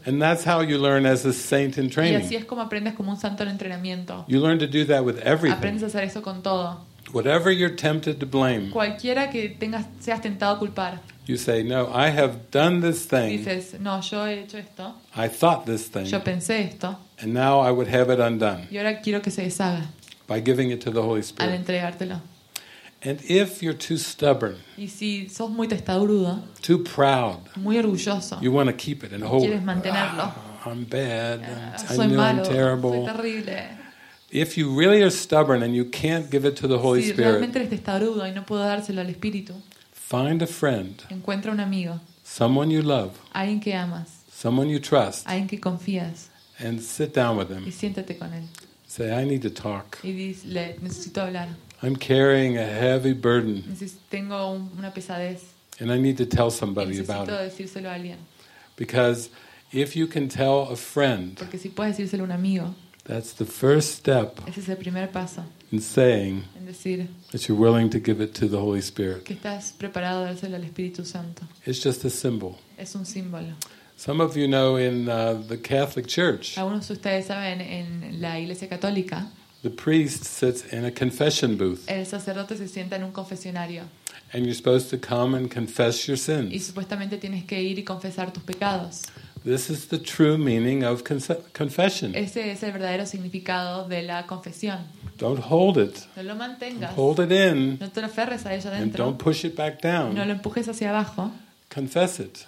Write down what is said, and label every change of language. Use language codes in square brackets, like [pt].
[en] And that's how you learn as a saint in training. [es] Y así es como aprendes como un santo en entrenamiento. [en] You learn to do that with everything. [es] Aprendes a hacer eso con todo. [en] Whatever you're tempted to blame. [es] Cualquiera que tengas, seas tentado a culpar. [en] You say, no, I have done this thing. [es] Dices, no, yo he hecho esto. [en] I thought this thing. [es] Yo pensé esto. [en] And now I would have it undone. [es] Y ahora quiero que se deshaga. [en] By giving it to the Holy Spirit. [es] Al entregártelo. [en] And if you're too stubborn. [es] Y si sos muy testarudo. [en] Too proud. [es] Muy orgulloso. [en] You want to keep it and hold it. [es] Quieres mantenerlo. [en] I'm bad. [es] Soy [en] I know [es] malo. [en] I'm terrible. [es] Soy terrible. [en] If you really are stubborn and you can't give it to the Holy Spirit. [es] Si realmente eres testarudo y no puedo dárselo al Espíritu. [en] Find a friend. [es] Encuentra un amigo. [en] Someone you love. [es] Alguien que amas. [en] Someone you trust. [es] Alguien que confías. [en] And sit down with him. [es] Y siéntate con él. [en] Say, I need to talk. [es] Y dile, necesito hablar. [en] I'm carrying a heavy burden. [es] Tengo una pesadez. [en] And I need to tell somebody [es] necesito [en] about [es] decírselo A alguien. [en] Because If you can tell a friend, [es] porque si puedes decírselo a un amigo, [en] that's the first step. [es] Ese es el primer paso. [en] In saying, [es] en decir, [en] that you're willing to give it to the Holy Spirit. [es] Que estás preparado a dárselo al Espíritu Santo. [en] It's just a symbol. [es] Es un símbolo. [en] Some of you know in the Catholic Church. [es] Algunos de ustedes saben en la Iglesia Católica. [en] The priest sits in a confession booth. [es] El sacerdote se sienta en un confesionario. [en] And you're supposed to come and confess your sins. [es] Y supuestamente tienes que ir y confesar tus pecados. [en] This is the true meaning of confession. [es] Ese es el verdadero significado de la confesión. [en] Don't hold it. [es] No lo mantengas. [en] Don't hold it in. [es] No te lo aferres a ella dentro. [en] And don't push it back down. [es] No lo empujes hacia abajo. [en] Confess it.